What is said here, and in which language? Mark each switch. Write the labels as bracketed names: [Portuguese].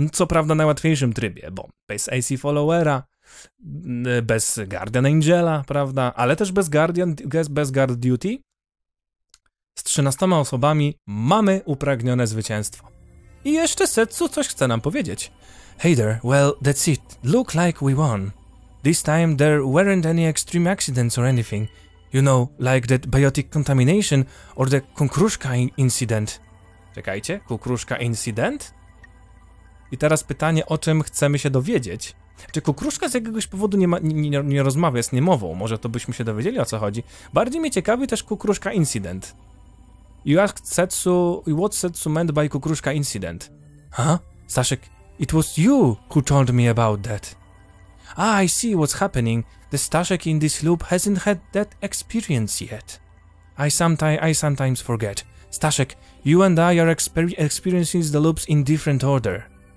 [Polish] Co prawda w najłatwiejszym trybie, bo bez AC Followera, bez Guardian Angela, prawda, ale też bez Guardian, bez Guard Duty, z 13 osobami mamy upragnione zwycięstwo. I jeszcze Setsu coś chce nam powiedzieć. [English] Hey there, well, that's it. Look like we won. This time there weren't any extreme accidents or anything. You know, like that biotic contamination or the Kukruszka incident. [Polish] Czekajcie, Kukruszka incident? I teraz pytanie, o czym chcemy się dowiedzieć. Czy Kukruszka z jakiegoś powodu nie rozmawia, jest niemową? Może to byśmy się dowiedzieli, o co chodzi. Bardziej mnie ciekawi też Kukruszka incident. [English] You asked Setsu, what Setsu meant by Kukruszka incident? Huh? Staszek, it was you who told me about that. Ah, I see what's happening. The Staszek in this loop hasn't had that experience yet. I sometimes forget. Staszek, you and I are experiencing the loops in different order.